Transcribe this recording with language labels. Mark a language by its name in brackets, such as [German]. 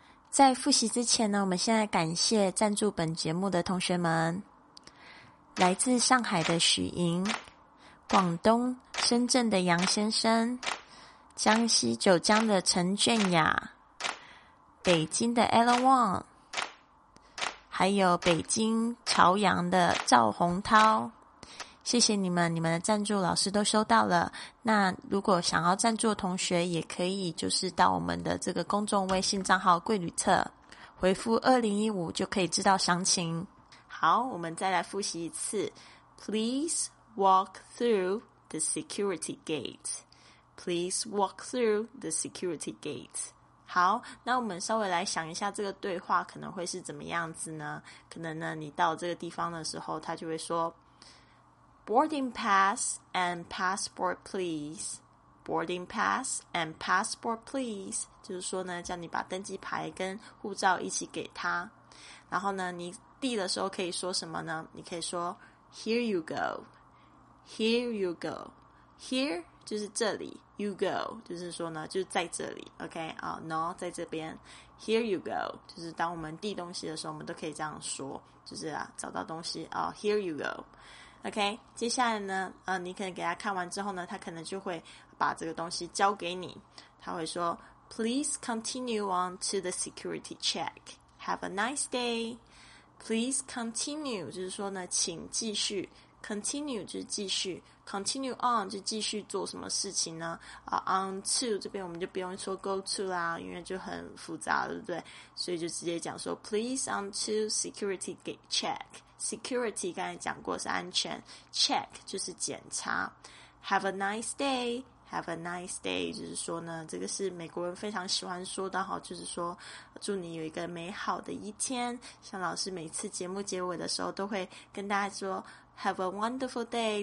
[Chinese] 在复习之前呢，我们现在感谢赞助本节目的同学们，来自上海的许莹，广东深圳的杨先生，江西九江的陈俊雅，北京的 Alan Wong， 还有北京朝阳的赵洪涛，谢谢你们，你们的赞助老师都收到了。那如果想要赞助的同学也可以就是到我们的这个公众微信账号贵旅特回复2015就可以知道详情。好，我们再来复习一次 [English] Please walk through the security gate. Please walk through the security gate. [Chinese] 好，那我们稍微来想一下这个对话可能会是怎么样子呢？可能呢，你到这个地方的时候，他就会说 [English] Boarding pass and passport please. Boarding pass and passport please. [Chinese] 就是说呢，叫你把登机牌跟护照一起给他。然后呢，你递的时候可以说什么呢？你可以说 [English] Here you go. Here you go. [Chinese] Here就是这里 ，you go 就是说呢，就是在这里 ，OK 啊、，no 在这边 ， [English] here you go [Chinese] 就是当我们递东西的时候，我们都可以这样说，就是啊，找到东西啊、，here you go，OK、okay? 接下来呢，你可能给他看完之后呢，他可能就会把这个东西交给你，他会说 ， [English] please continue on to the security check，have a nice day，please continue [Chinese] 就是说呢，请继续。 Continue 就是继续 ， [English] continue on [Chinese] 就继续做什么事情呢？啊、，on to 这边我们就不用说 go to 啦，因为就很复杂，对不对？所以就直接讲说 ， [English] please on to security gate check。 [Chinese] Security 刚才讲过是安全 ，check 就是检查。 [English] Have a nice day。 Have a nice day， [Chinese] 就是说呢，这个是美国人非常喜欢说的哈，就是说祝你有一个美好的一天。像老师每次节目结尾的时候都会跟大家说 ， [English] Have a wonderful day。